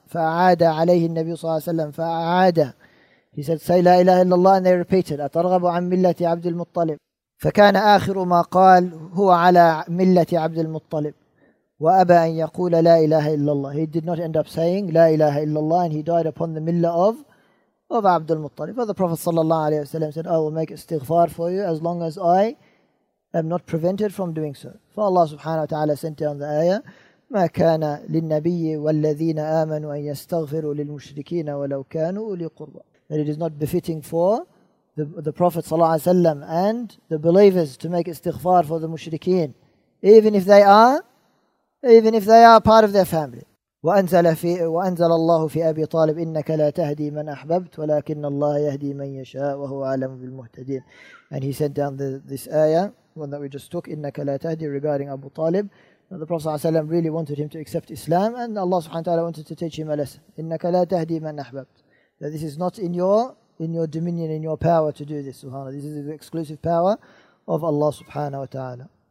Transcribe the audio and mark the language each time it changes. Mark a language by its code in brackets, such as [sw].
[ar] فَأَعَادَ عَلَيْهِ النَّبِي صلى الله عليه وسلم فَأَعَادَ [en] He said, say la ilaha illallah, and they repeated, [ar] أَتَرْغَبُ عَنْ مِلَّةِ عَبْدِ الْمُطَّلِبِ فَكَانَ آخِرُ مَا قَالُ هُوَ عَلَى مِلَّةِ عَبْدِ الْمُطَّلِبِ وَأَبَى أَنْ يَقُولَ لَا إِلَهَ إِلَّا اللَّهِ [en] He did not end up saying, la ilaha illallah, and he died upon the millah of [ar] عبد المطلب. [en] But the Prophet ﷺ said, I will make istighfar for you as long as I am not prevented from doing so. For Allah subhanahu wa ta'ala sent down the ayah, [ar] ما كان للنبي والذين آمنوا أن يستغفروا للمشركين ولو كانوا أولي قربى. [en] That it is not befitting for the Prophet sallallahu alaihi wasallam and the believers to make istighfar for the mushrikeen, even if they are part of their family. [ar] وأنزل الله في أبي طالب إنك لا تهدي من أحببت ولكن الله يهدي من يشاء وهو أعلم بالمهتدين. [en] And he sent down this ayah, one that we just took, [ar] إنك لا تهدي, [en] regarding Abu Talib. And the Prophet ﷺ really wanted him to accept Islam, and Allah subhanahu wa ta'ala wanted to teach him a lesson. [ar] إنك لا تهدي من أحببت. [en] That this is not in your dominion, in your power to do this, subhanAllah. This is the exclusive power of Allah subhanahu wa ta'ala.